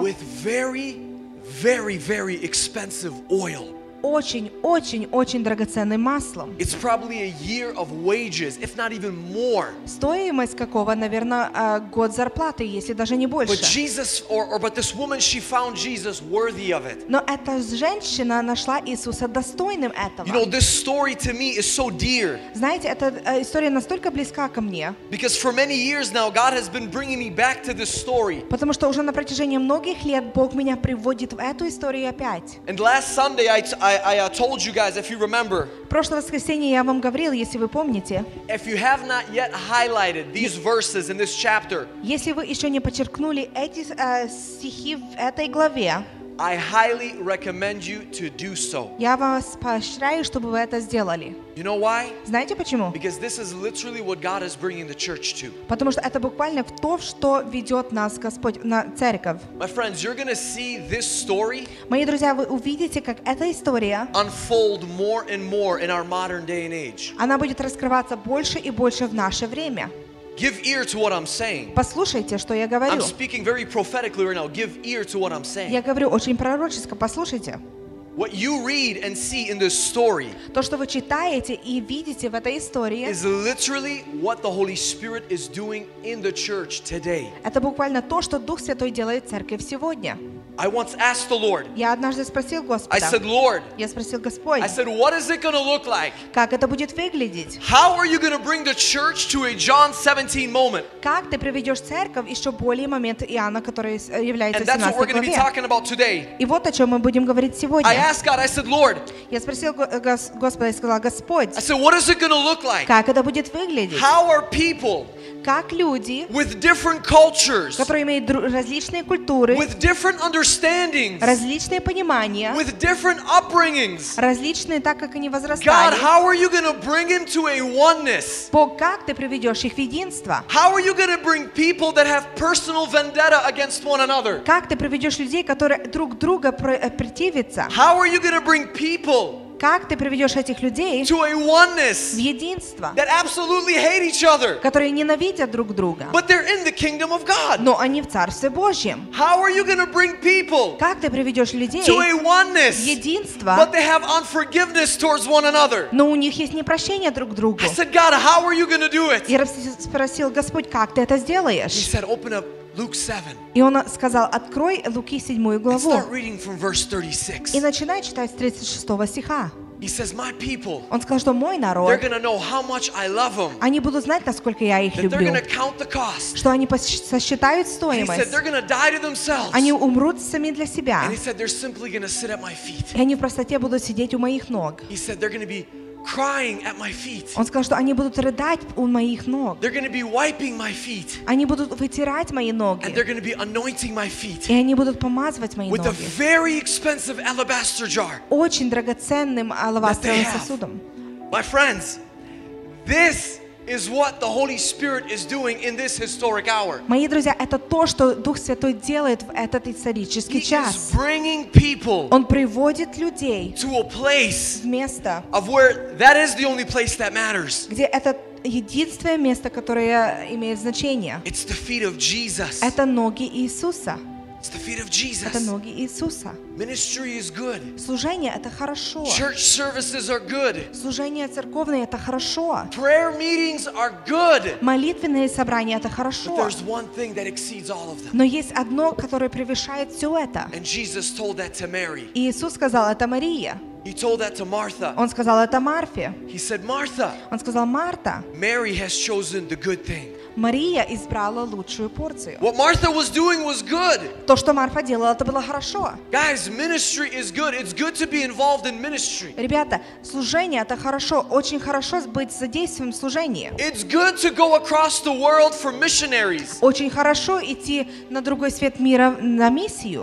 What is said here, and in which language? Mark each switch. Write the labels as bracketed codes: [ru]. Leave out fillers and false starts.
[en] With very, very, very expensive oil. [ru] Очень-очень-очень драгоценным маслом. [en] It's probably a year of wages, if not even more. [ru] Стоимость какого, наверное, год зарплаты, если даже не больше. [en] But Jesus, but this woman, she found Jesus worthy of it. [ru] Но эта женщина нашла Иисуса достойным этого. [en] You know, this story to me is so dear. [ru] Знаете, эта история настолько близка ко мне. [en] Because for many years now, God has been bringing me back to this story. [ru] Потому что уже на протяжении многих лет Бог меня приводит в эту историю опять. [en] And last Sunday, I told you guys, if you remember. [ru] Прошлое воскресенье я вам говорил, если вы помните. [en] If you have not yet highlighted these verses in this chapter. [ru] Если вы еще не подчеркнули эти стихи в этой главе. [en] I highly recommend you to do so. [ru] Я вас поощряю, чтобы вы это сделали. [en] You know why? [ru] Знаете почему? [en] Because this is literally what God is bringing the church to. [ru] Потому что это буквально то, что ведет нас Господь на церковь. [en] My friends, you're going to see this story. [ru] Мои друзья, вы увидите, как эта история [en] unfold more and more in our modern day and age. [ru] Она будет раскрываться больше и больше в наше время. [en] Give ear to what I'm saying. [ru] Послушайте, что я говорю. [en] I'm speaking very prophetically right now. Give ear to what I'm saying. [ru] Я говорю очень пророчески. Послушайте. [en] What you read and see in this story, [ru] то, что вы читаете и видите в этой истории, [en] is literally what the Holy Spirit is doing in the church today. [ru] Это буквально то, что Дух Святой делает в церкви сегодня. [en] I once asked the Lord. [ru] Я однажды спросил Господа. [en] I said, Lord. [ru] Я спросил Господь. [en] I said, what is it going to look like? [ru] Как это будет выглядеть? [en] How are you going to bring the church to a John 17 moment? [ru] Как ты приведешь церковь еще более момент Иоанна, который является 17 главе? [en] And that's what we're going to be talking about today. [ru] И вот о чем мы будем говорить сегодня. [en] I asked God, I said, Lord. [ru] Я спросил Господа и сказал: Господь. [en] I said, what is it going to look like? [ru] Как это будет выглядеть? [en] How are people? [ru] Как люди? [en] With different cultures. [ru] Которые имеют различные культуры. [en] With different understandings. [ru] Различные понимания. [en] With different upbringings. [ru] Различные, так как они возрастали. [en] God, how are you going to bring into a oneness? [ru] Бог, как ты приведешь их в единство? [en] How are you going to bring people that have personal vendetta against one another? [ru] Как ты приведешь людей, которые друг друга противятся? [en] How are you going to bring people? [ru] Как ты приведешь этих людей [en] to a oneness [ru] в единство, [en] that absolutely hate each other, [ru] которые ненавидят друг друга, [en] but they're in the kingdom of God? [ru] Но они в Царстве Божьем. [en] How are you going to bring people, [ru] как ты приведешь людей [en] to a oneness, [ru] в единство, [en] but they have unforgiveness towards one another? [ru] Но у них есть непрощение друг другу. [en] I said, God, how are you going to do it? [ru] Я спросил: Господь, как ты это сделаешь? [en] He said, open up Luke 7. [ru] И он сказал: открой Луки 7 главу. [en] Start reading from verse 36. [ru] И начинай читать с 36 стиха. [en] He says, my people, [ru] он сказал, что мой народ, [en] they're going to know how much I love them, [ru] они будут знать, насколько я их люблю, [en] they're going to count the cost, [ru] что они сосчитают стоимость, [en] he said, they're going to die to themselves, [ru] они умрут сами для себя, [en] and he said, they're simply going to sit at my feet, [ru] и они в простоте будут сидеть у моих ног. [en] He said, they're going to be crying at my feet. [ru] Он сказал, что они будут рыдать у моих ног. [en] They're going to be wiping my feet. [ru] Они будут вытирать мои ноги. [en] And they're going to be anointing my feet. [ru] И они будут помазывать мои ноги. [en] With a very expensive alabaster jar. [ru] Очень драгоценным алавастровым сосудом. [en] My friends, this is what the Holy Spirit is doing in this historic hour. [ru] Мои друзья, это то, что Дух Святой делает в этот исторический час. [en] He is bringing people. [ru] Он приводит людей. [en] To a place. [ru] В место. [en] Of where that is the only place that matters. [ru] Где это единственное место, которое имеет значение. [en] It's the feet of Jesus. [ru] Это ноги Иисуса. [en] It's the feet of Jesus. [ru] Это ноги Иисуса. [en] Ministry is good. [ru] Служение — это хорошо. [en] Church services are good. [ru] Служение церковное — это хорошо. [en] Prayer meetings are good. [ru] Молитвенные собрания — это хорошо. [en] But there's one thing that exceeds all of them. [ru] Но есть одно, которое превышает все это. [en] And Jesus told that to Mary. [ru] Иисус сказал это Марии. [en] He told that to Martha. [ru] Он сказал это Марфе. [en] He said, Martha. [ru] Он сказал: Марта. [en] Mary has chosen the good thing. [ru] Мария избрала лучшую порцию. [en] What Martha was doing was good. [ru] То, что Марфа делала, это было хорошо. [en] Guys, ministry is good. It's good to be involved in ministry. [ru] Ребята, служение — это хорошо, очень хорошо быть задействованным в служении. [en] It's good to go across the world for missionaries. [ru] Очень хорошо идти на другой свет мира на миссию.